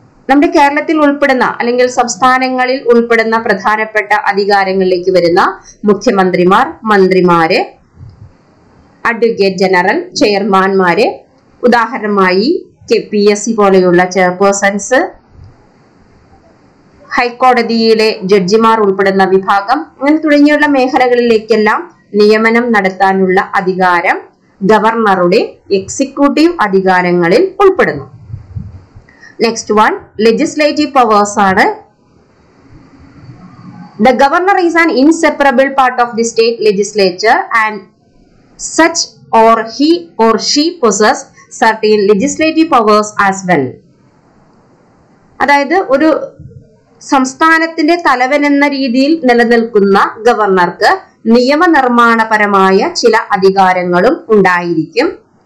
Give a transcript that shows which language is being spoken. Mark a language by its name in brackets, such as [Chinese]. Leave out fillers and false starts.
[Malayalam] നമ്മുടെ കേരളത്തിൽ ഉൾപ്പെടുന്ന അല്ലെങ്കിൽ സംസ്ഥാനങ്ങളിൽ ഉൾപ്പെടുന്ന പ്രധാനപ്പെട്ട അധികാരങ്ങളിലേക്ക് വരുന്ന മുഖ്യമന്ത്രിമാർ, മന്ത്രിമാര്, അഡ്വക്കേറ്റ് ജനറൽ, ചെയർമാൻമാര്, ഉദാഹരണമായി KPSC പോലെയുള്ള ചെയർപേഴ്സൺസ്, ഹൈക്കോടതിയിലെ ജഡ്ജിമാർ ഉൾപ്പെടുന്ന വിഭാഗം, അങ്ങനെ തുടങ്ങിയുള്ള മേഖലകളിലേക്കെല്ലാം നിയമനം നടത്താനുള്ള അധികാരം ഗവർണറുടെ എക്സിക്യൂട്ടീവ് അധികാരങ്ങളിൽ ഉൾപ്പെടുന്നു. [English] Next one, legislative powers are. The governor is an inseparable part of the state legislature and such or he or she possess certain legislative powers as well. [Malayalam] അതായത് ഒരു സംസ്ഥാനത്തിന്റെ തലവൻ എന്ന രീതിയിൽ നിലനിൽക്കുന്ന ഗവർണർക്ക് നിയമനിർമ്മാണപരമായ ചില അധികാരങ്ങളും ഉണ്ടായിരിക്കും.